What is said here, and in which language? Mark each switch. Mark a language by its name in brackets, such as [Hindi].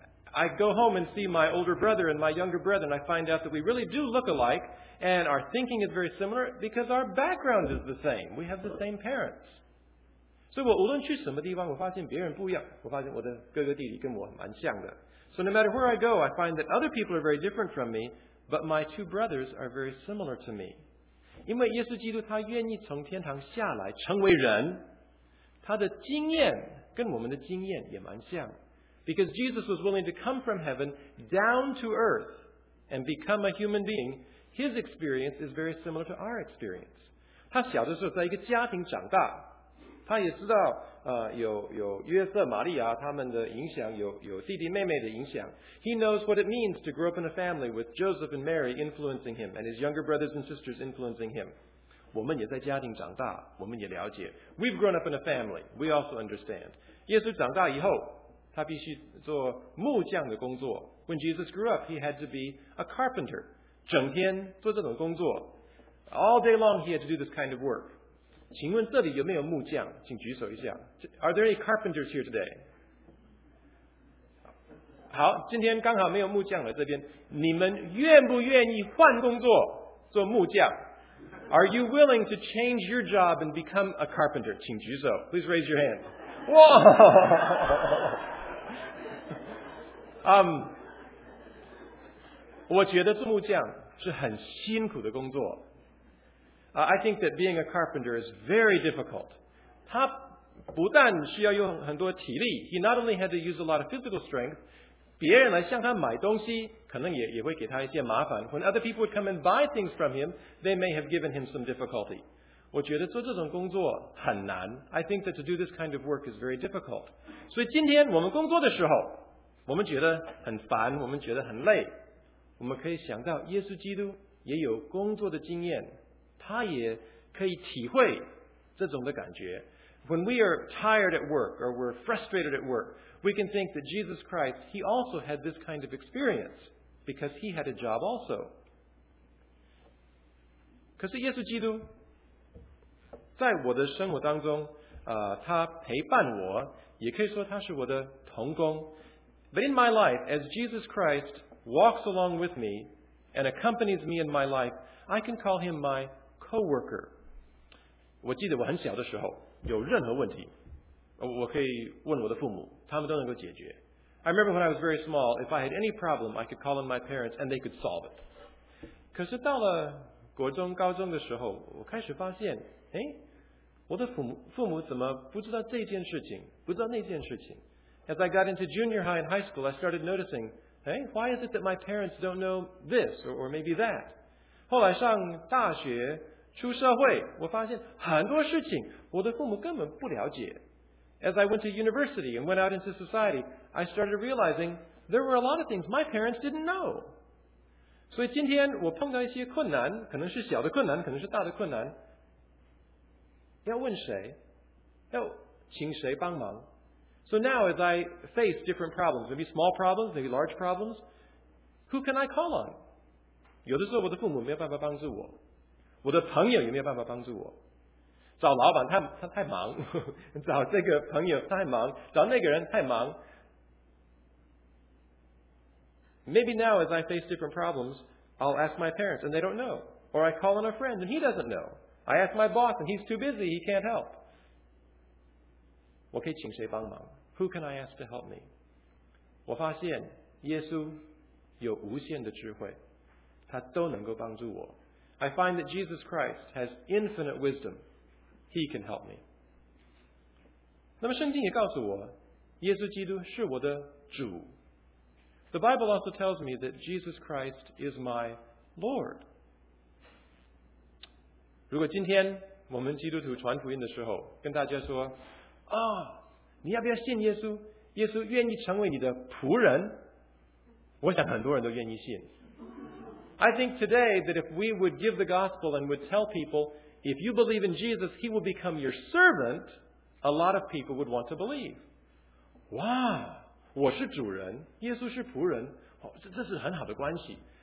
[English] I go home and see my older brother and my younger brother and I find out that we really do look alike and our thinking is very similar because our background is the same. We have the same parents. [Chinese] 所以我无论去什么地方，我发现别人不一样，我发现我的哥哥弟弟跟我蛮像的。 [English] So no matter where I go, I find that other people are very different from me, but my two brothers are very similar to me. [Chinese] 因为耶稣基督他愿意从天堂下来成为人，他的经验跟我们的经验也蛮像。 [English] Because Jesus was willing to come from heaven down to earth and become a human being, his experience is very similar to our experience. [Chinese] 他小的时候在一个家庭长大，他也知道有约瑟、玛利亚他们的影响，有弟弟妹妹的影响。 [English] He knows what it means to grow up in a family with Joseph and Mary influencing him and his younger brothers and sisters influencing him. [Chinese] 我们也在家庭长大，我们也了解。 [English] We've grown up in a family. We also understand. [Chinese] 耶稣长大以后，他必须做木匠的工作。 [English] When Jesus grew up, he had to be a carpenter. [Chinese] 整天做这种工作。 [English] All day long, he had to do this kind of work. [Chinese] 请问这里有没有木匠？请举手一下。 [English] Are there any carpenters here today? [Chinese] 好，今天刚好没有木匠来这边。你们愿不愿意换工作做木匠？ [English] Are you willing to change your job and become a carpenter? [Chinese] 请举手。 [English] Please raise your hand. Whoa! [Chinese] 我觉得做木匠是很辛苦的工作。 [English] I think that being a carpenter is very difficult. [Chinese] 他不但需要用很多体力, [English] he not only had to use a lot of physical strength, [Chinese] 别人来向他买东西，可能 也会给他一些麻烦。 [English] When other people would come and buy things from him, they may have given him some difficulty. [Chinese] 我觉得做这种工作很难。 [English] I think that to do this kind of work is very difficult. [Chinese] 所以今天我们工作的时候，我们觉得很烦，我们觉得很累，我们可以想到耶稣基督也有工作的经验，他也可以体会这种的感觉。 [English] When we are tired at work or we're frustrated at work, we can think that Jesus Christ, he also had this kind of experience because he had a job also. [Chinese] 可是耶稣基督在我的生活当中，他陪伴我，也可以说他是我的同工。 [English] But in my life, as Jesus Christ walks along with me and accompanies me in my life, I can call him my co-worker. [Chinese] 我记得我很小的时候有任何问题，我可以问我的父母，他们都能够解决。 [English] I remember when I was very small, if I had any problem, I could call on my parents and they could solve it. [Chinese] 可是到了国中高中的时候，我开始发现，诶，我的父母怎么不知道这件事情，不知道那件事情。 [English] As I got into junior high and high school, I started noticing, hey, why is it that my parents don't know this or maybe that? [Chinese] 后来上大学出社会，我发现很多事情我的父母根本不了解。 [English] As I went to university and went out into society, I started realizing there were a lot of things my parents didn't know. [Chinese] 所以今天我碰到一些困难，可能是小的困难，可能是大的困难，要问谁？要请谁帮忙？ [English] So now as I face different problems, maybe small problems, maybe large problems, who can I call on? [Chinese] 有的时候我的父母没有办法帮助我，我的朋友有没有办法帮助我？找老板 他太忙，找这个朋友太忙，找那个人太忙。 [English] Maybe now as I face different problems, I'll ask my parents and they don't know. Or I call on a friend and he doesn't know. I ask my boss and he's too busy, he can't help. [Chinese] 我可以请谁帮忙？ [English] Who can I ask to help me? [Chinese] 我发现耶稣有无限的智慧，他都能够帮助我。 [English] I find that Jesus Christ has infinite wisdom. He can help me. [Chinese] 那么圣经也告诉我，耶稣基督是我的主。 [English] The Bible also tells me that Jesus Christ is my Lord. [Chinese] 如果今天我们基督徒传福音的时候，跟大家说，啊，你要不要信耶稣？耶稣愿意成为你的仆人？我想很多人都愿意信。 [English] I think today that if we would give the gospel and would tell people, if you believe in Jesus, he will become your servant, a lot of people would want to believe. [Chinese] Wow, 我是主人，耶稣是仆人，这是很好的关系。